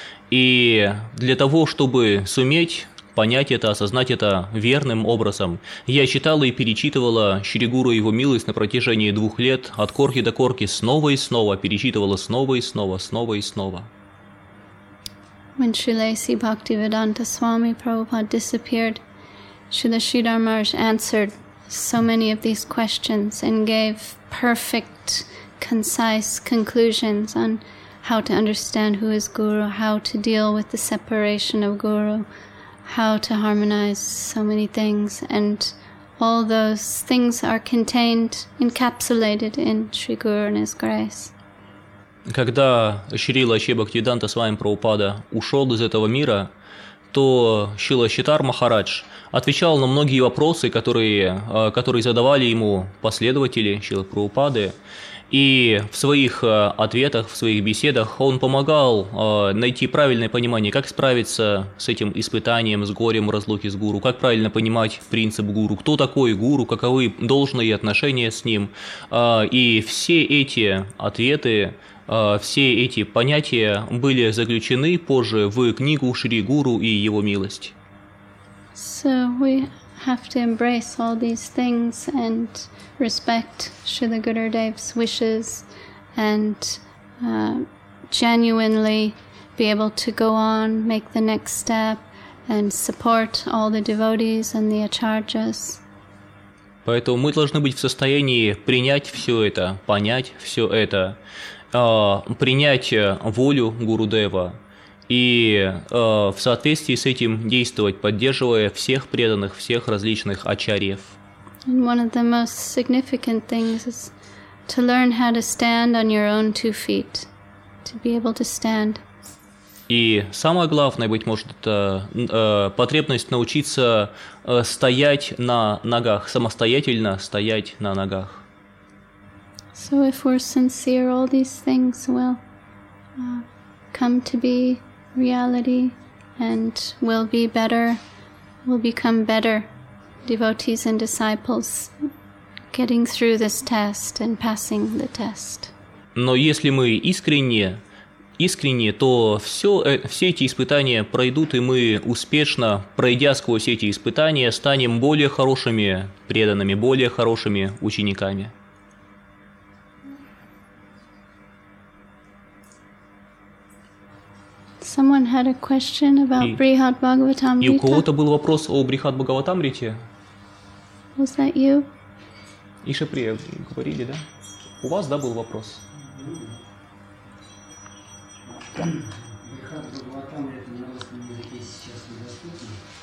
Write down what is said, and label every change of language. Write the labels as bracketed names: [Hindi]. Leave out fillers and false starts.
[Russian] И для того, чтобы суметь понять это, осознать это верным образом, я читала и перечитывала Шри Гуру и Его милость на протяжении 2 лет, от корки до корки, снова и снова, перечитывала снова и снова, снова и снова. [English] When Srila Sri Bhaktivedanta Swami Prabhupada disappeared, Srila Sridhar Maharaj answered so many of these questions and gave perfect, concise conclusions on how to understand who is Guru, how to deal with the separation of Guru, how to harmonize so many things. And all those things are contained, encapsulated in Sri Guru and His Grace. [Russian] Когда Шрила Бхактивиданта Свами Прабхупада ушел из этого мира, то Шрила Шридхар Махарадж отвечал на многие вопросы, которые задавали ему последователи Шрилы Прабхупады. И в своих ответах, в своих беседах он помогал найти правильное понимание, как справиться с этим испытанием, с горем, разлуки с гуру, как правильно понимать принцип гуру, кто такой гуру, каковы должные отношения с ним. И все эти ответы, все эти понятия были заключены позже в книгу «Шри Гуру и Его милость». [English] So we have to embrace all these things and respect Srila Gurudev's wishes and genuinely be able to go on, make the next step and support all the devotees and the acharyas. [Russian] Поэтому мы должны быть в состоянии принять все это, понять все это, принять волю Гурудева и в соответствии с этим действовать, поддерживая всех преданных, всех различных ачарьев. [English] And one of the most significant things is to learn how to stand on your own 2 feet, to be able to stand. [Russian] И самое главное, быть может, это потребность научиться стоять на ногах, самостоятельно стоять на ногах. [English] So if we're sincere, all these things will come to be reality and will be better, will become better. Devotees and disciples getting through this test and passing the test. [Russian] Но если мы искренне, то все эти испытания пройдут, и мы, успешно пройдя сквозь эти испытания, станем более хорошими преданными, более хорошими учениками. [English] Someone had a question about Brihad Bhagavatam Rita. [Russian] И у кого-то был вопрос о Брихад Бхагаватам Рите? [English] Was that you? [Russian] Иша Прия, говорили, да? У вас, да, был вопрос? Брихад Бхагаватам Рита на русском языке сейчас недоступна.